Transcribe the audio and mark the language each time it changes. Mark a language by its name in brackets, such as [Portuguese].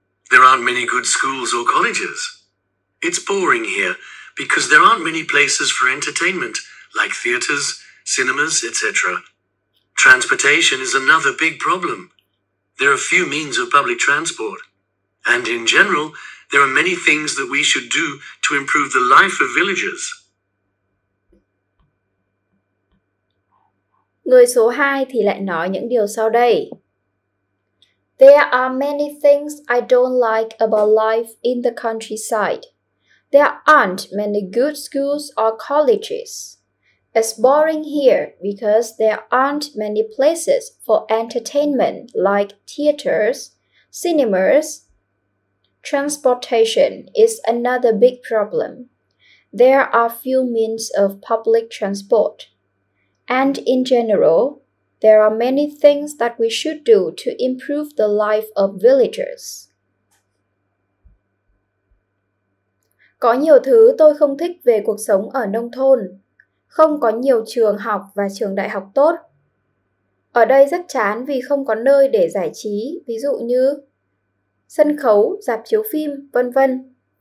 [English] There aren't many good schools or colleges. It's boring here because there aren't many places for entertainment, like theaters, cinemas, etc. Transportation is another big problem. There are few means of public transport. And in general, there are many things that we should do to improve the life of villagers. [Vietnamese] Người số 2 thì lại nói những điều sau đây. [English] There are many things I don't like about life in the countryside. There aren't many good schools or colleges. It's boring here because there aren't many places for entertainment like theaters, cinemas. Transportation is another big problem. There are few means of public transport. And in general, there are many things that we should do to improve the life of villagers. [Vietnamese] Có nhiều thứ tôi không thích về cuộc sống ở nông thôn. Không có nhiều trường học và trường đại học tốt. Ở đây rất chán vì không có nơi để giải trí, ví dụ như sân khấu, rạp chiếu phim, vân vân.